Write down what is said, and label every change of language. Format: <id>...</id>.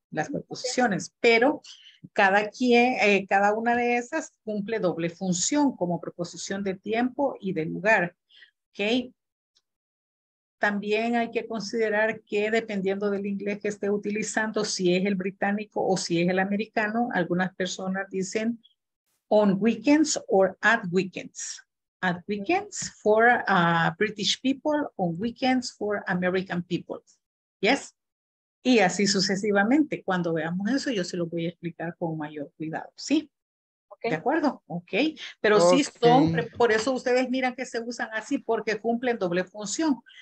<es>Las preposiciones. Pero cada una de esas cumple doble función como preposición de tiempo y de lugar. ¿Ok? También hay que considerar que dependiendo del inglés que esté utilizando, si es el británico o si es el americano, algunas personas dicen</es> <en>on weekends or at weekends. at weekends for British people, on weekends for American people.</en> <es>Yes? Y así sucesivamente. Cuando veamos eso, yo se lo voy a explicar con mayor cuidado. ¿Sí? Okay. ¿De acuerdo? Ok. Pero okay. Sí son, por eso ustedes miran que se usan así, porque cumplen doble función.</es>